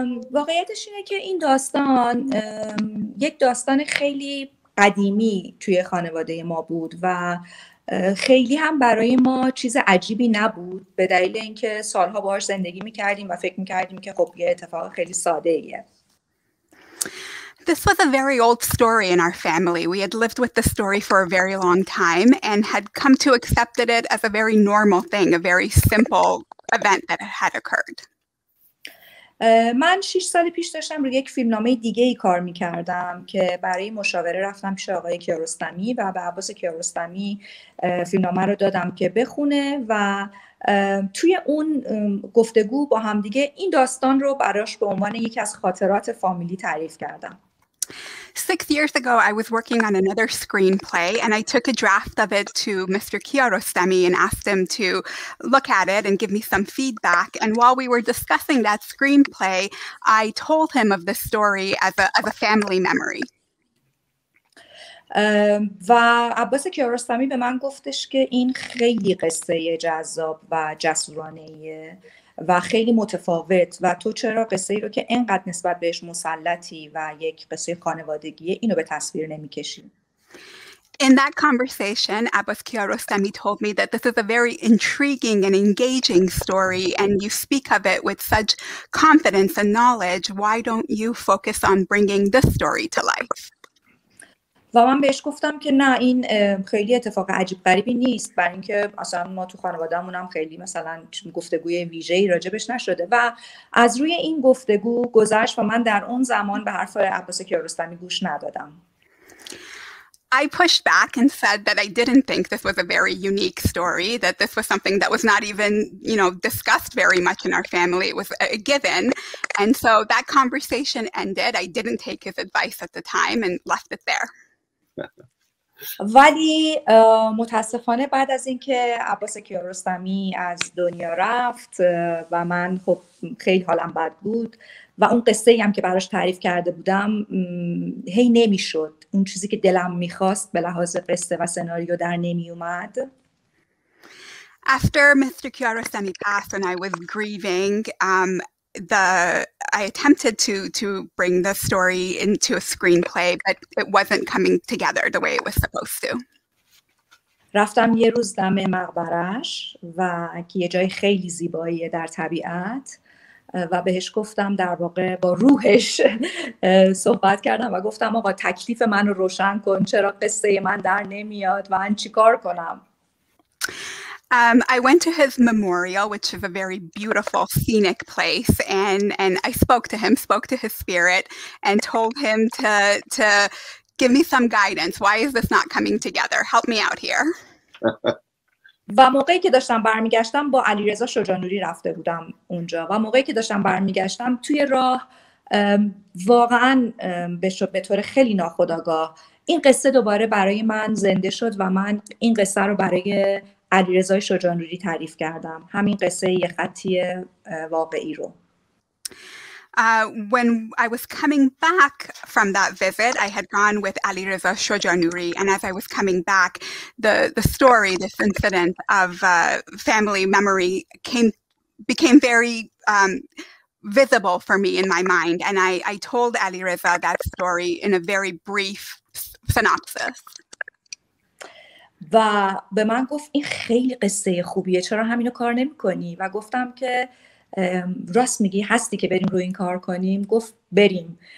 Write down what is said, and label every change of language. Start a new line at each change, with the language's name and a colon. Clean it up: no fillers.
Persian: واقعیتش اینه که این داستان یک داستان خیلی قدیمی توی خانواده ما بود و خیلی هم برای ما چیز عجیبی نبود، به دلیل اینکه سالها باهاش زندگی میکردیم و فکر میکردیم که خب یه اتفاق خیلی ساده ایه.
English: This was a very old story in our family. We had lived with the story for a very long time and had come to accept it as a very normal thing, a very simple event that had occurred.
Persian: من 6 سال پیش داشتم روی یک فیلمنامه دیگه ای کار میکردم که برای مشاوره رفتم پیش آقای کیارستمی و به عباس کیارستمی فیلمنامه رو دادم که بخونه و توی اون گفتگو با هم دیگه این داستان رو براش به عنوان یکی از خاطرات فامیلی تعریف کردم.
English: 6 years ago, I was working on another screenplay, and I took a draft of it to Mr. Kiarostami and asked him to look at it and give me some feedback. And while we were discussing that screenplay, I told him of the story as a family memory.
Persian: و عباس کیارستمی به من گفتش که این خیلی قصه جذاب و جسورانه‌ایه و خیلی متفاوت و تو چرا قصه ای رو که اینقدر نسبت بهش مسلطی و یک قصه خانوادگیه اینو به تصویر نمی کشی؟
English: In that conversation, Abbas Kiarostami told me that this is a very intriguing and engaging story and you speak of it with such confidence and knowledge. Why don't you focus on bringing this story to life?
Persian: و من بهش گفتم که نه، این خیلی اتفاق عجیب غریبی نیست، برای اینکه اصلا ما تو خانوادهمون هم خیلی مثلا گفتگوی ویژه‌ای راجبش نشده. و از روی این گفتگو گذشت و من در اون زمان به حرف عباس کیارستمی گوش ندادم.
English: I pushed back and said that I didn't think this was a very unique story, that this was something that was not even, you know, discussed very much in our family. It was a given. And so that conversation ended. I didn't take his advice at the time and left it there.
Persian: ولی متاسفانه بعد از اینکه عباس کیارستمی از دنیا رفت و من خب خیلی حالم بد بود و اون قصه ای هم که براش تعریف کرده بودم هی نمیشد، اون چیزی که دلم میخواست به لحاظ قصه و سناریو در نمی اومد.
English: After Mr. Kiarostami passed and I was grieving, I attempted to bring the story into a screenplay, but it wasn't coming together the way it was supposed to.
Persian: رفتم یه روز دم مقبرش و که یه جای خیلی زیبایی در طبیعت و بهش گفتم، در واقع با روحش صحبت کردم و گفتم آقا تکلیف من رو روشن کن، چرا قصه من در نمیاد و من چی کار کنم؟
English: I went to his memorial, which is a very beautiful, scenic place, and I spoke to him, spoke to his spirit, and told him to give me some guidance. Why is this not coming together? Help me out here.
Persian: و موقعی که داشتم برمیگشتم با علیرضا شجاع‌نوری رفته بودم اونجا و موقعی که داشتم برمیگشتم توی راه واقعا به طور خیلی ناخودآگاه این قصه دوباره برای من زنده شد و من این قصه رو برای علیرضا شجاع‌نوری تعریف کردم، همین قصه یه خطی واقعی رو.
English: When I was coming back from that visit, I had gone with Alireza Shojanuri, and as I was coming back, the story, this incident of family memory became very visible for me in my mind, and I told Alireza that story in a very brief synopsis.
Persian: و به من گفت این خیلی قصه خوبیه، چرا همینو کار نمی‌کنی؟ و گفتم که راست میگی، هستی که بریم روی این کار کنیم؟ گفت بریم.